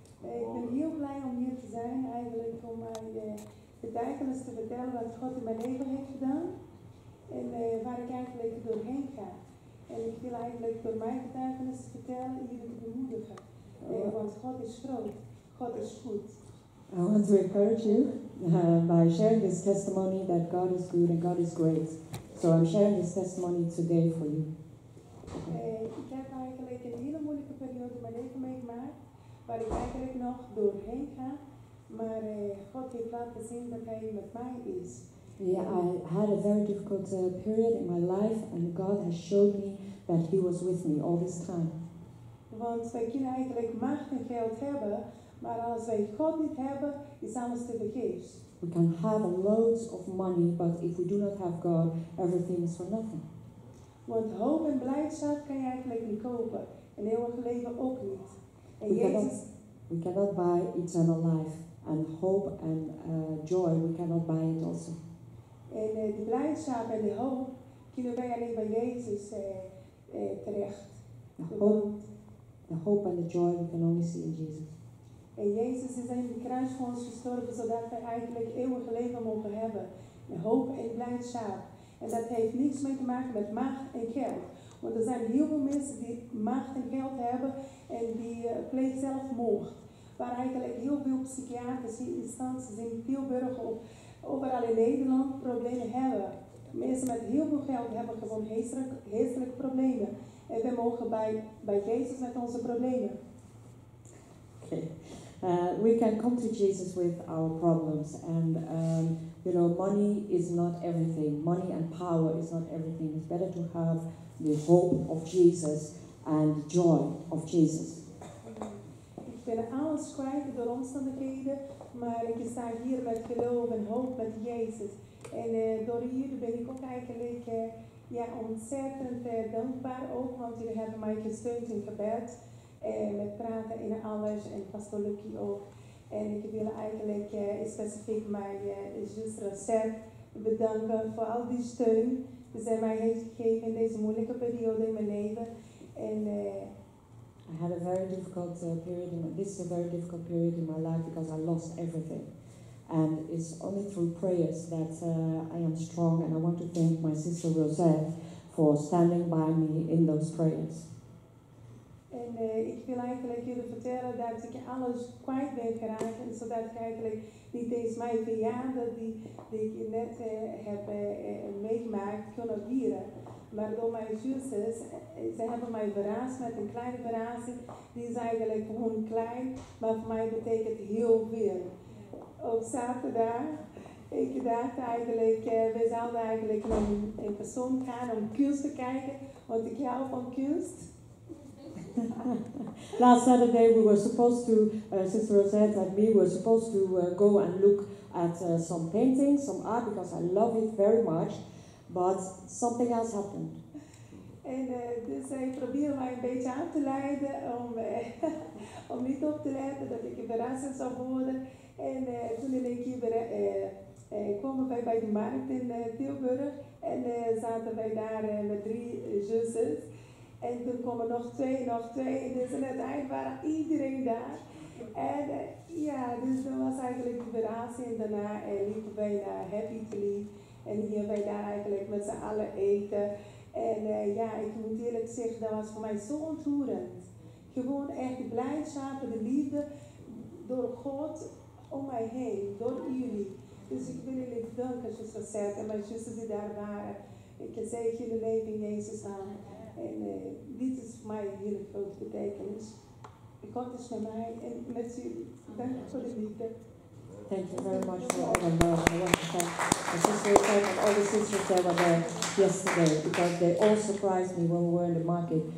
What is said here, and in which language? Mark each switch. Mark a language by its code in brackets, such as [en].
[nl] Ik ben heel blij om hier te zijn, eigenlijk om mijn getuigenis te vertellen wat God in mijn leven heeft gedaan en waar ik eigenlijk doorheen ga. En ik wil eigenlijk door mijn getuigenis te vertellen, jullie te bemoedigen. Want God is groot, God is goed. [en] I want to encourage you by sharing this testimony that God is good and God is great. So I'm sharing this testimony today for you. [nl] Ik heb eigenlijk een hele moeilijke periode in mijn leven meegemaakt, waar ik eigenlijk nog doorheen ga. Maar God heeft laten zien dat Hij met mij is. [en] Yeah, I had a very difficult period in my life, and God has showed me that He was with me all this time. [nl] Want wij kunnen eigenlijk macht en geld hebben, maar als wij God niet hebben, is alles te vergeefs. [en] We can have loads of money, but if we do not have God, everything is for nothing. [nl] Want hoop en blijdschap kan je eigenlijk niet kopen. En eeuwig leven ook niet. En [en] we cannot buy eternal life. And hope and joy, we cannot buy it also. [nl] En de blijdschap en de hoop kunnen wij alleen bij Jezus terecht. [en] The hope and the joy we can only see in Jesus. [nl] En Jezus is in het kruis voor ons gestorven, zodat wij eigenlijk eeuwig leven mogen hebben. De hoop en blijdschap. En dat heeft niks mee te maken met macht en geld. Want er zijn heel veel mensen die macht en geld hebben en die pleegt zelfmoord. Waar eigenlijk heel veel psychiaters, instanties in veel burgers overal in Nederland problemen hebben. Mensen met heel veel geld hebben gewoon geestelijke problemen. En wij mogen bij Jezus met onze problemen. [en] We can come to Jesus with our problems, and you know, money is not everything. Money and power is not everything. It's better to have the hope of Jesus and the joy of Jesus. [nl] Ik ben alles kwijt door omstandigheden, maar ik sta hier met geloof en hoop met Jezus. En door hier ben ik ook eigenlijk ontzettend dankbaar, ook want jullie hebben mij gesteund in gebed. Met praten in alles en Pastor Lucky ook. En ik wil eigenlijk specifiek mijn zuster Seth bedanken voor al die steun die zij mij heeft gegeven in deze moeilijke periode in mijn leven. En [en] I had a very difficult period. This is a very difficult period in my life because I lost everything. And it's only through prayers that I am strong. And I want to thank my sister Rosette for standing by me in those prayers. [nl] En ik wil eigenlijk jullie vertellen dat ik alles kwijt ben geraakt. En zodat ik eigenlijk niet eens mijn verjaardag die ik net heb meegemaakt, kunnen vieren. Maar door mijn zusters, ze hebben mij verrast met een kleine verrassing. Die is eigenlijk gewoon klein, maar voor mij betekent heel veel. Op zaterdag, ik dacht eigenlijk, we zouden eigenlijk naar een persoon gaan om kunst te kijken. Want ik hou van kunst. [en] Last Saturday we were supposed to, Sister Rosette and me were supposed to go and look at some paintings, some art, because I love it very much, but something else happened. [nl] En dus hij probeerde mij een beetje aan te leiden om, om niet op te letten dat ik een verrassing zou worden. En toen in een keer kwamen wij bij de markt in Tilburg en zaten wij daar met drie zussen. En toen komen nog twee. En dus uiteindelijk waren iedereen daar. En dus dat was eigenlijk de verrassing. En daarna liepen wij naar Happy Tree. En hier wij daar eigenlijk met z'n allen eten. En ik moet eerlijk zeggen, dat was voor mij zo ontroerend. Gewoon echt de blijdschap en de liefde door God om mij heen. Door jullie. Dus ik wil jullie bedanken, zuster Seth. En mijn zussen die daar waren. Ik zeg jullie leven in Jezus aan. En dit is voor mij een hele grote betekenis. God is met mij en met u. Dank voor de liefde. [en] Thank you very much for all the love. I want to thank my sister and all the sisters that were there yesterday, because they all surprised me when we were in the market.